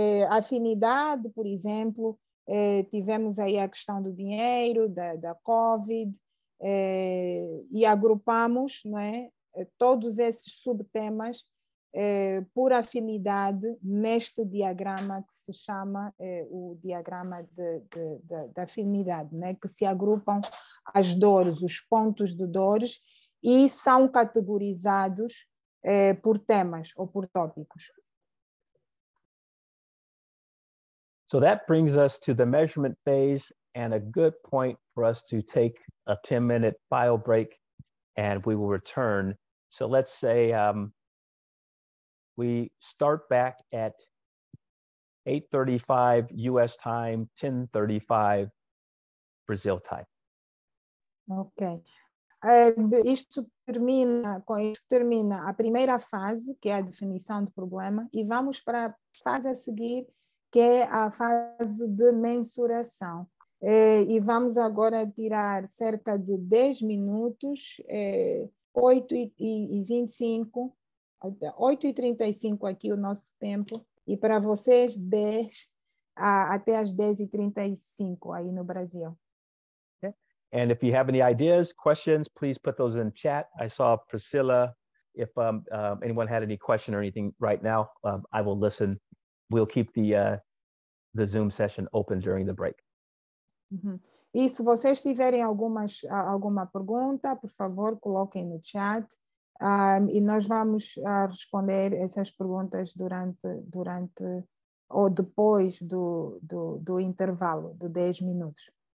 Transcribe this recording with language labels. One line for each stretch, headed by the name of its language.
Portuguese: Afinidade, por exemplo, tivemos aí a questão do dinheiro, da COVID, e agrupamos, não é, todos esses subtemas por afinidade neste diagrama que se chama o diagrama de afinidade, né? Que se agrupam as dores, os pontos de dores, e são categorizados por temas ou por tópicos.
English: So that brings us to the measurement phase and a good point for us to take a 10-minute bio break and we will return. So let's say we start back at 8:35 US time, 10:35 Brazil time. Ok.
Portuguese: Isto termina, com isso termina a primeira fase, que é a definição do problema, e vamos para a fase a seguir, que é a fase de mensuração. E vamos agora tirar cerca de 10 minutos, 8:25. 8:35 aqui o nosso tempo, e para vocês 10 até as 10:35 aí no Brasil. Okay.
English: And if you have any ideas, questions, please put those in chat. I saw Priscilla. If anyone had any question or anything right now, I will listen. We'll keep the Zoom session open during the break.
Portuguese: Uh-huh. E se vocês tiverem alguma pergunta, por favor, coloquem no chat. E nós vamos responder essas perguntas durante ou depois do intervalo de 10 minutos.